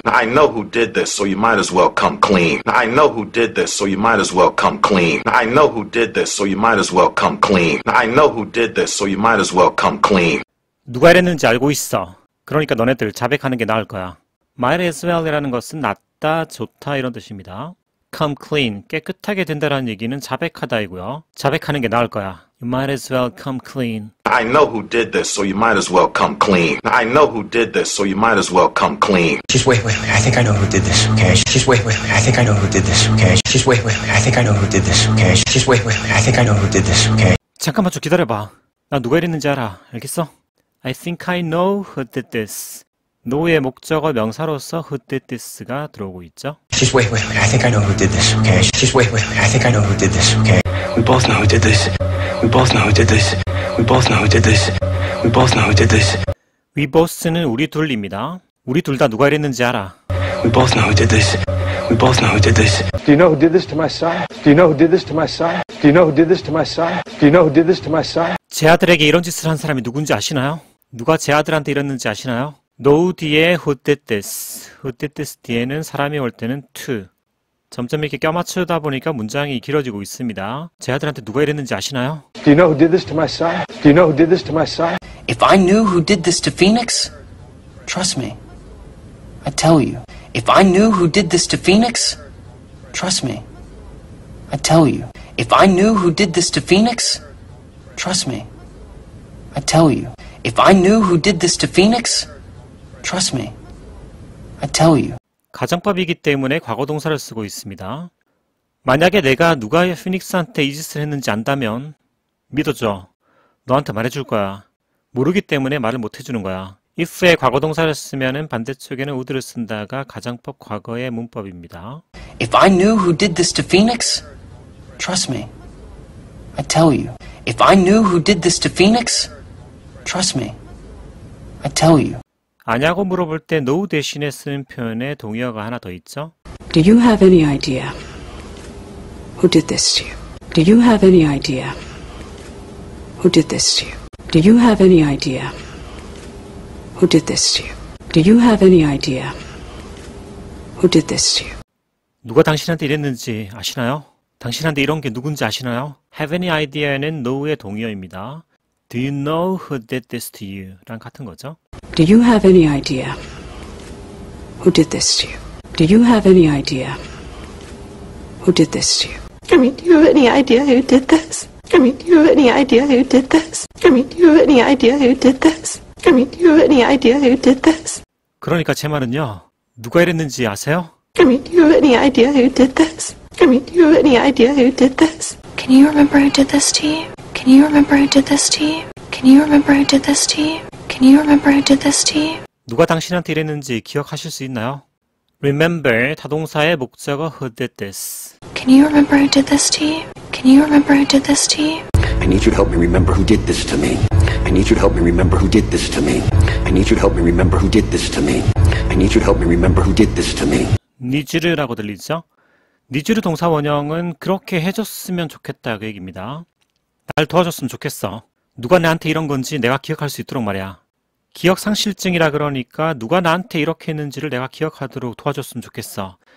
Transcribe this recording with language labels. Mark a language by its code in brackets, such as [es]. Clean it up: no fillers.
[en] I know who did this, so you might as well come clean. I know who did this, so you might as well come clean. I know who did this, so you might as well come clean. I know who did this, so you might as well come clean. [ko] 누가 이랬는지 알고 있어. 그러니까 너네들 자백하는 게 나을 거야. [en] Might as well [ko] 이라는 것은 낫다, 좋다 이런 뜻입니다. [en] Come clean, [ko] 깨끗하게 된다라는 얘기는 자백하다이고요. 자백하는 게 나을 거야. [en] You might as well come clean. I know who did this, so you might as well come clean. I know who did this, so you might as well come clean. She's wait. I think I know who did this. Okay. She's wait. I think I know who did this. Okay. She's wait. I think I know who did this. Okay. She's wait. I think I know who did this. Okay. [ko] 잠깐만 좀 기다려봐. 나 누가 이랬는지 알아. 알겠어? [en] I think I know who did this. [ko] know의 목적어 명사로서 [en] who did this [ko] 가 들어오고 있죠. [en] She's wait. I think I know who did this. Okay. She's wait. I think I know who did this. Okay. We both know who did this. We both know who did this. We both know who did this. We both know who did this. [ko] We both는 우리 둘입니다. 우리 둘다 누가 이랬는지 알아. [en] We both know who did this. We both know who did this. Do you know who did this to my son? Do you know who did this to my son? Do you know who did this to my son? Do you know who did this to my son? [ko] 제 아들에게 이런 짓을 한 사람이 누군지 아시나요? 누가 제 아들한테 이랬는지 아시나요? Know 뒤에 [en] who did this. Who did this [ko] 뒤에는 사람이 올 때는 to. 점점 이렇게 껴맞추다 보니까 문장이 길어지고 있습니다. 제 아들한테 누가 이랬는지 아시나요? [en] Do you know who did this to my son? Do you know who did this to my son? If I knew who did this to Phoenix, trust me. I tell you. If I knew who did this to Phoenix, trust me. I tell you. If I knew who did this to Phoenix, trust me. I tell you. If I knew who did this to Phoenix, trust me. I tell you. [ko] 가정법이기 때문에 과거동사를 쓰고 있습니다. 만약에 내가 누가 피닉스한테 이 짓을 했는지 안다면 믿어줘. 너한테 말해줄 거야. 모르기 때문에 말을 못 해주는 거야. if의 과거동사를 쓰면은 반대쪽에는 would를 쓴다가 가정법 과거의 문법입니다. [en] If I knew who did this to Phoenix, trust me. I tell you. If I knew who did this to Phoenix, trust me. I tell you. [ko] 아냐고 물어볼 때 no 대신에 쓰는 표현에 동의어가 하나 더 있죠. [en] Do you have any idea who did this to you? Do you have any idea who did this to you? Do you have any idea who did this to you? Do you have any idea who did this to you? [ko] 누가 당신한테 이랬는지 아시나요? 당신한테 이런 게 누군지 아시나요? [en] Have any idea [ko] 는 no의 동의어입니다. [en] Do you know who did this to you? [ko] 랑 같은 거죠. [en] Do you have any idea who did this to you? Do you have any idea who did this to you? I mean, do you have any idea who did this? I mean, do you have any idea who did this? I mean, do you have any idea who did this? I mean, do you have any idea who did this? [ko] 그러니까 제 말은요. 누가 이랬는지 아세요? [en] I mean, do you have any idea who did this? I mean, do you have any idea who did this? Can you remember who did this to you? Can you remember who did this to you? Can you remember who did this to you? Can you remember who did this to you? [ko] 누가 당신한테 이랬는지 기억하실 수 있나요? Remember 다동사의 목적어 [en] who did this. Can you remember who did this to you? Can you remember who did this to you? I need you to help me remember who did this to me. I need you to help me remember who did this to me. I need you to help me remember who did this to me. I need you to help me remember who did this to me. [ko] Need라고 들리죠? Need 동사 원형은 그렇게 해줬으면 좋겠다 그 얘기입니다. 날 도와줬으면 좋겠어. 누가 나한테 이런 건지 내가 기억할 수 있도록 말이야. 기억상실증이라 그러니까 누가 나한테 이렇게 했는지를 내가 기억하도록 도와줬으면 좋겠어.